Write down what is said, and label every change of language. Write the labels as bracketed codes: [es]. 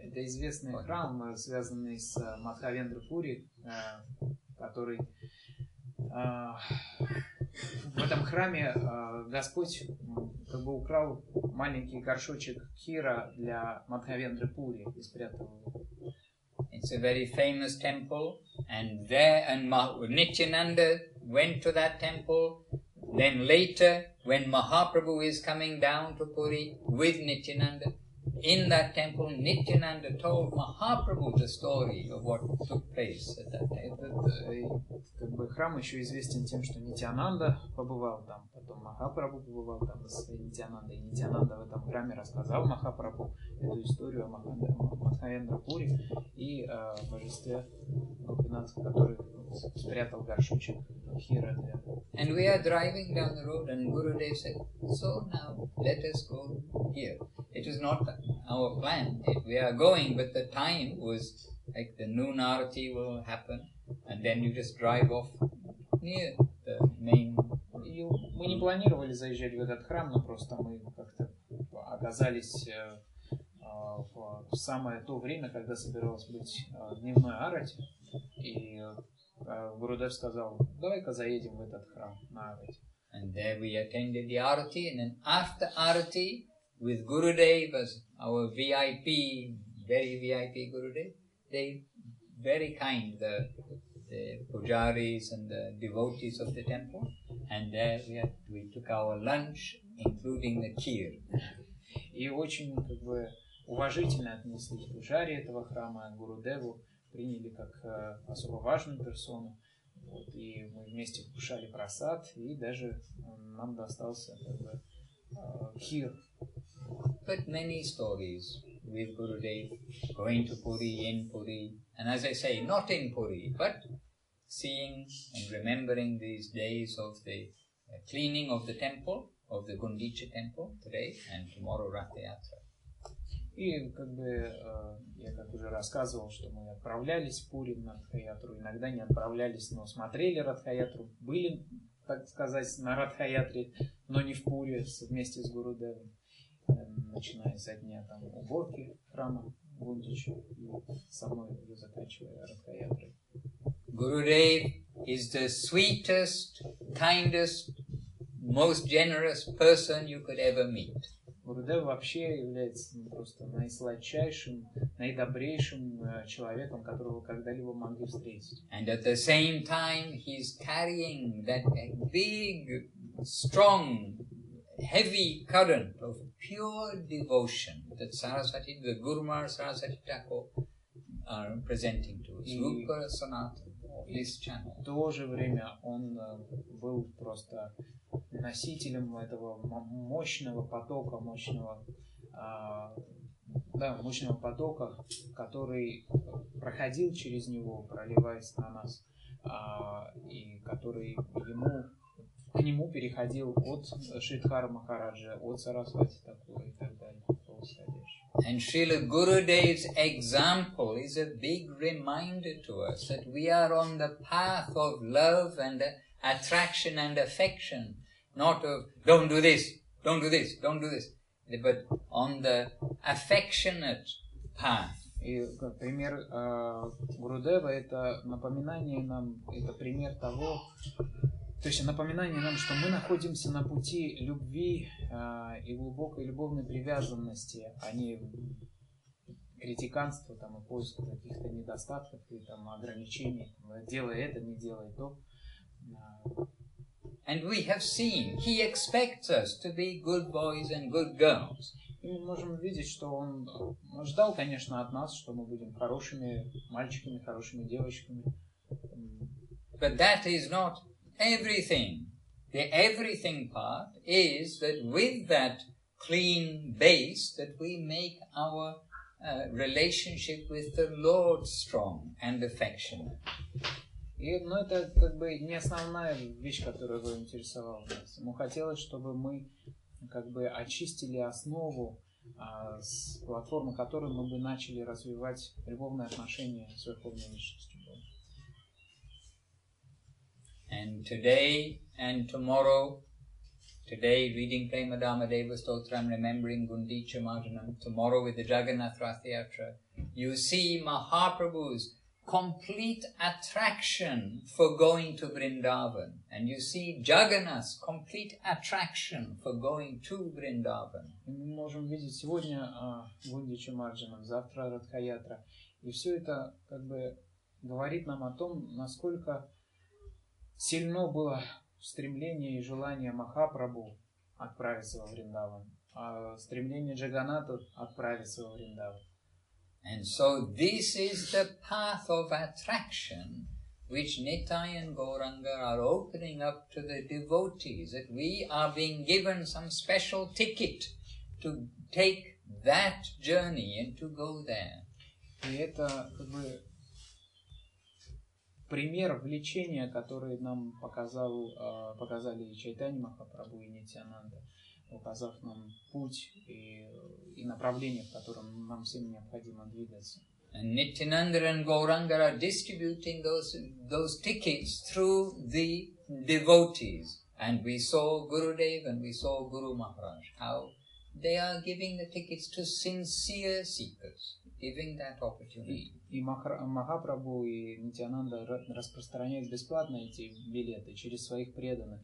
[ru] Это известный храм, связанный с Мадхавендра Пури, который в этом храме Господь как бы украл маленький горшочек кхира для Мадхавендры Пури и спрятал его. [en] It's a very famous temple, and there, and Nityananda went to that temple. Then later, when Mahaprabhu is coming down to Puri with Nityananda, in that temple, Nityananda told Mahaprabhu the story of what took place at that temple. [ru] Этот как бы храм еще известен тем, что Нитьянанда побывал там, потом Махапрабху побывал там с Нитьянандой, и Нитьянанда в этом храме рассказал Махапрабху эту историю о Мадхавендра Пури и божестве Гопинатха, который спрятал горшочек кхира для... [en] And we are driving down the road, and Gurudev said, so now, let us go here. It was not our plan. We are going, but the time was like the noon arati will happen, and then you just drive off near the main... [ru] Мы не планировали заезжать в этот храм, но просто мы как-то оказались в самое то время, когда собиралось быть дневной арати, и Гурудев сказал, давай-ка заедем в этот храм на арати. [en] And there we attended the arati, and then after arati, with Gurudev as our VIP, very VIP Gurudev, they very kind, the pujaris and the devotees of the temple, and there we took our lunch, including the kheer. [ru] И очень как бы уважительно отнеслись пужари этого храма Гурудеву, приняли как особо важную персону, вот, и мы вместе кушали просад, и даже нам достался как бы кхир. [en] But many stories with Gurudev going to Puri, in Puri, and as I say, not in Puri, but seeing and remembering these days of the cleaning of the temple, of the Gundicha temple today and tomorrow Ratha Yatra. [ru] И как бы я как уже рассказывал, что мы отправлялись в Пури на Ратха Ятру, иногда не отправлялись, но смотрели Ратха Ятру, были, так сказать, на Ратха Ятре, но не в Пури вместе с Гурудевом. начиная со дня там уборки храма будучи и самой уже заканчивая Радха-ятрой. [en] Гурудев is the sweetest, kindest, most generous person you could ever meet. [ru] Гурудев вообще является просто наисладчайшим, наидобрейшим человеком, которого когда-либо могли встретить. [en] And at the same time, he's carrying that big, strong, heavy current of pure devotion that Sarasvati, the Gurumar Sarasvati Thakur are presenting to us. Rupa Sanatana. [ru] В то же время он был просто носителем этого мощного потока, который проходил через него, проливаясь на нас, и который ему, к нему переходил от Шридхара Махараджа, от Сарасвати Такура и так далее. [en] And Srila Gurudev's example is a big reminder to us that we are on the path of love and attraction and affection, not of don't do this, don't do this, don't do this, but on the affectionate path. [ru] И пример Гурудева – это напоминание нам, это пример того, то есть напоминание нам, что мы находимся на пути любви и глубокой любовной привязанности, а не критиканства там, и поиска каких-то недостатков и там, ограничений, там, делай это, не делай то. [en] And we have seen, he expects us to be good boys and good girls. И мы можем видеть, что он ждал, конечно, от нас, что мы будем хорошими мальчиками, хорошими девочками. But that is not everything. The everything part is that with that clean base that we make our relationship with the Lord strong and affectionate. [ru] И, ну, это как бы не основная вещь, которая бы интересовала нас. Ему хотелось, чтобы мы как бы очистили основу с платформы, которой мы бы начали развивать любовные отношения с Верховной Личностью. [en] And today and tomorrow, today reading Prema Dharma Deva Stotram, remembering Gundicha Martinam, tomorrow with the Jagannath Rath Yatra, you see Mahaprabhu's complete attraction for going to Vrindavan. And you see Jagannath's complete attraction for going to Vrindavan. [ru] Мы можем видеть сегодня Гундичу Марджанам, завтра Радха Ятра. И все это как бы говорит нам о том, насколько сильно было стремление и желание Махапрабху отправиться во Вриндаван, а стремление Джаганнатха отправиться во Вриндаван. [en] And so this is the path of attraction which Nitai and Gauranga are opening up to the devotees, that we are being given some special ticket to take that journey and to go there. [ru] И это как бы пример влечения, который нам показали Чайтанья Махапрабху и Нитьянанда, указав нам путь и направление, в котором нам всем необходимо двигаться. [en] And Nityananda and Gauranga are distributing those tickets through the devotees. And we saw Gurudev and we saw Guru Maharaj, how they are giving the tickets to sincere seekers, giving that opportunity. [ru] И Махапрабху и Нитьянанда распространяют бесплатно эти билеты через своих преданных.